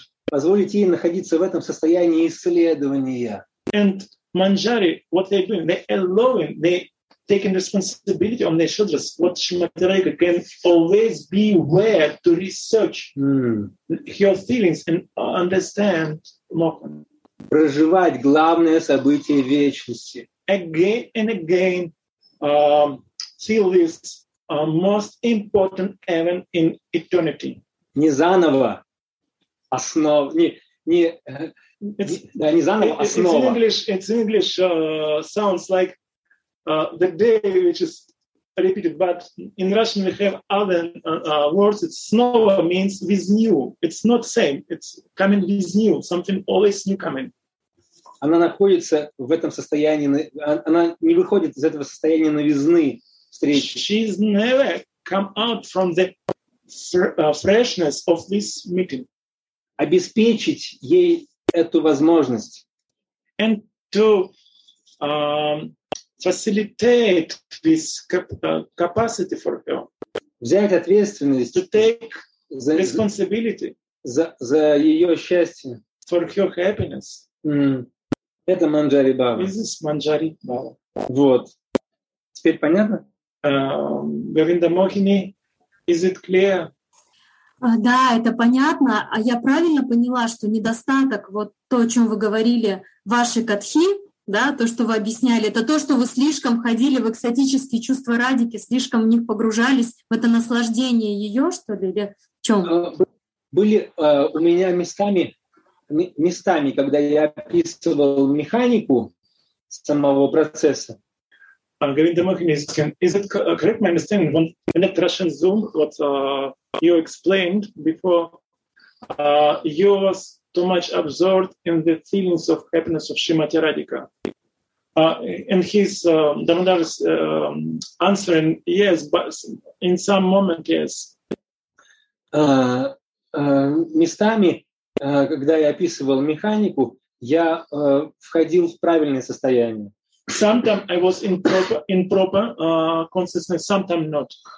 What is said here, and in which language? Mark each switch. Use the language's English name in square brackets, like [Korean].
[Russian] Позволить ей находиться в этом состоянии исследования. [English] And Manjari, what they're doing, they're allowing, they're taking responsibility on their shoulders, what Shrimati Radhika can always be aware to research her feelings and understand more. [Russian] Проживать главное событие вечности. [English] Again and again, feel this most important event in eternity. [Russian] Не заново. Основа. [English] It's in English sounds like the day which is repeated, but in Russian we have other words. It's snova means with new. It's not same. It's coming with new. Something always new coming. [Russian] Она находится в этом состоянии. Она не выходит из этого состояния новизны встречи. [English] She's never come out from the freshness of this meeting. [Russian] Обеспечить ей эту возможность. [English] And to facilitate this capacity for her. [Russian] Взять ответственность. [English] To take responsibility. [Russian] За ее счастье. [English] For her happiness. [Russian] Это Манджари Бхава. [English] This is Манджари Бхава. [Russian] Вот. Теперь понятно? [English] Говинда Мохини, is it clear? [Russian] Да, это понятно. А я правильно поняла, что недостаток, вот то, о чем вы говорили, ваши катхи, да, то, что вы объясняли, это то, что вы слишком входили в экстатические чувства Радики, слишком в них погружались, в это наслаждение ее, что ли, или в чем? Были у меня местами, когда я описывал механику самого процесса. [English] Говинда Мохини, is it correct my understanding? When at Russian Zoom, what you explained before, you was too much absorbed in the feelings of happiness of Shrimati Radhika. And his Damodar is answering, yes, but in some moment, yes. [Russian] Местами, когда я описывал механику, Я входил в правильное состояние. [English] Sometimes I was in proper consciousness, sometimes not.